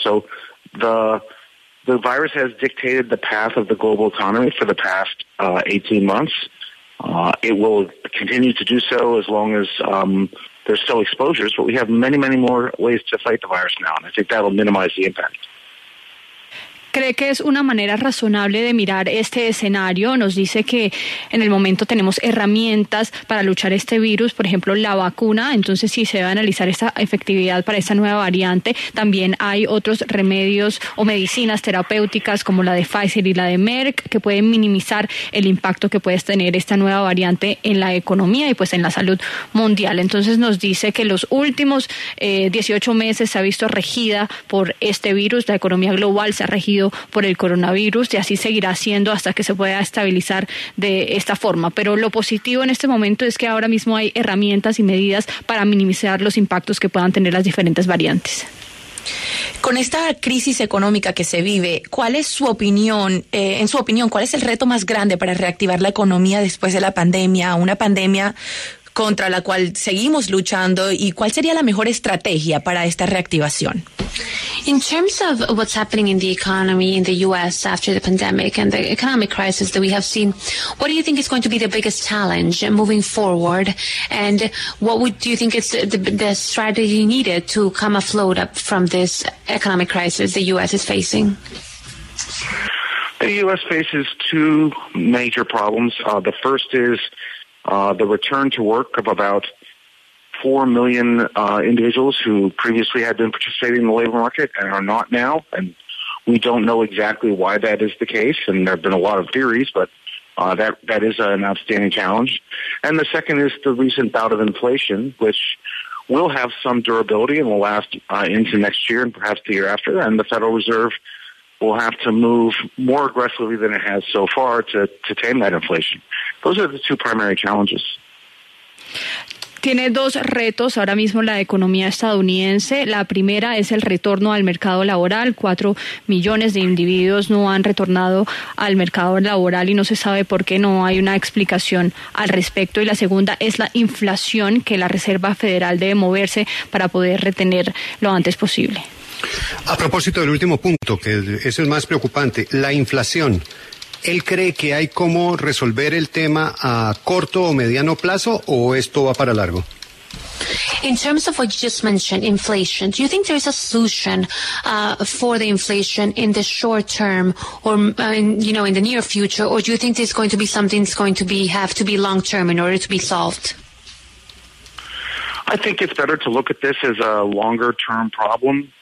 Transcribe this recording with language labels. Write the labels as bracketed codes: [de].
[en] So the virus has dictated the path of the global economy for the past 18 months. It will continue to do so as long as there's still exposures, but we have many, many more ways to fight the virus now, and I think that'll minimize the impact. [es] ¿Cree que es una manera razonable de mirar este escenario? Nos dice que en el momento tenemos herramientas para luchar este virus, por ejemplo, la vacuna. Entonces, si se debe analizar esa efectividad para esta nueva variante, también hay otros remedios o medicinas terapéuticas como la de Pfizer y la de Merck que pueden minimizar el impacto que puede tener esta nueva variante en la economía y pues en la salud mundial. Entonces, nos dice que los últimos 18 meses se ha visto regida por este virus, la economía global se ha regido por el coronavirus, y así seguirá siendo hasta que se pueda estabilizar de esta forma. Pero lo positivo en este momento es que ahora mismo hay herramientas y medidas para minimizar los impactos que puedan tener las diferentes variantes. Con esta crisis económica que se vive, ¿cuál es su opinión? En su opinión, ¿cuál es el reto más grande para reactivar la economía después de la pandemia? Una pandemia contra la cual seguimos luchando, ¿y cuál sería la mejor estrategia para esta reactivación? [en] In terms of what's happening in the economy in the U.S. after the pandemic and the economic crisis that we have seen, what do you think is going to be the biggest challenge moving forward? And what would do you think is the strategy needed to come afloat up from this economic crisis the U.S. is facing? The U.S. faces two major problems. The first is The return to work of about 4 million individuals who previously had been participating in the labor market and are not now, and we don't know exactly why that is the case, and there have been a lot of theories, but that is an outstanding challenge. And the second is the recent bout of inflation, which will have some durability and will last into next year and perhaps the year after, and the Federal Reserve will have to move more aggressively than it has so far to tame that inflation. Those are the two primary challenges. [es] Tiene dos retos ahora mismo la economía estadounidense. La primera es el retorno al mercado laboral. 4 millones de individuos no han retornado al mercado laboral y no se sabe por qué, no hay una explicación al respecto. Y la segunda es la inflación, que la Reserva Federal debe moverse para poder retener lo antes posible. A propósito del último punto, que es el más preocupante, la inflación. ¿Él cree que hay cómo resolver el tema a corto o mediano plazo, o esto va para largo? [en] In terms of what you just mentioned, inflation, do you think there is a solution for the inflation in the short term, or in the near future, or do you think it's going to be something that's going to be have to be long term in order to be solved? I think it's better to look at this as a longer term problem.